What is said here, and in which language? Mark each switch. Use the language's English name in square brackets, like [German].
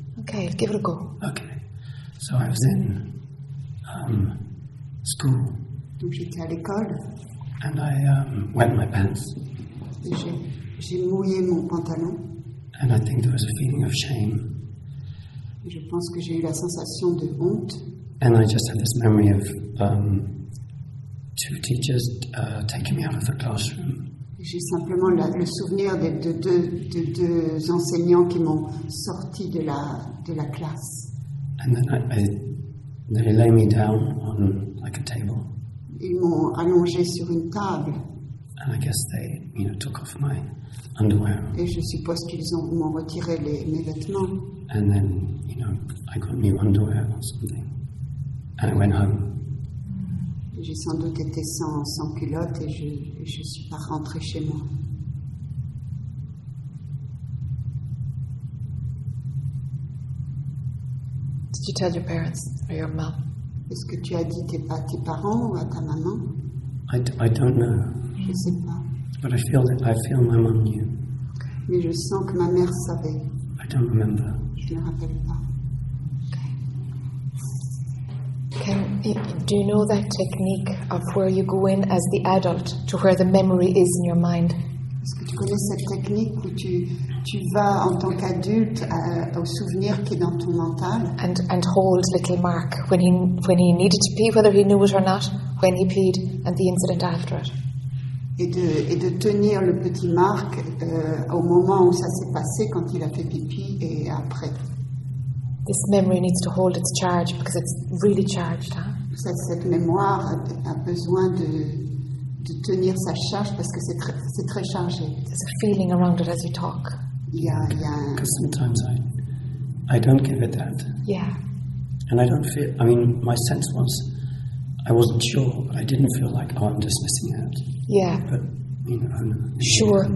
[English] Okay, give it a go. Okay. So I was in school. [French] Donc j'étais à l'école. [English] And I wet my pants. [French] Et j'ai mouillé mon pantalon. [English] And I think there was a feeling of shame. [French] Et je pense que j'ai eu la sensation de honte. [English] And I just had this memory of two teachers taking me out of the classroom. [French] J'ai simplement le souvenir des deux enseignants qui m'ont sorti de la classe. [English] And then they lay me down on like a table. [French] Ils m'ont allongé sur une table. [English] And I guess they, you know, took off my underwear. [French] Et je suppose qu'ils ont retiré mes vêtements. [English] And then, you know, I got new underwear or something. And I went home. [French] J'ai sans doute été sans culotte et je ne suis pas rentrée chez moi. [English] Did you tell your parents or your mom? [French] Est-ce que tu as dit à tes parents ou à ta maman? [English] I don't know. [French] Je ne sais pas. [English] But I feel my mom knew. [French] Mais je sens que ma mère savait. [English] I don't remember. [French] Je ne me rappelle pas. [English] Do you know that technique of where you go in as the adult to where the memory is in your mind? [French] Est-ce que tu connais cette technique où tu vas en tant qu'adulte au souvenir qui est dans ton mental? [English] And hold little Mark when he needed to pee, whether he knew it or not, when he peed, and the incident after it. [French] Et de tenir le petit Mark au moment où ça s'est passé, quand il a fait pipi et après. [English] This memory needs to hold its charge because it's really charged, huh? [French] Cette mémoire a besoin de tenir sa charge parce que c'est très chargé. [English] There's a feeling around it as you talk. Because sometimes I don't give it that. Yeah. And I don't feel, I mean, my sense was, I wasn't sure, but I didn't feel like, oh, I'm dismissing it. Yeah. But, you know, I'm sure.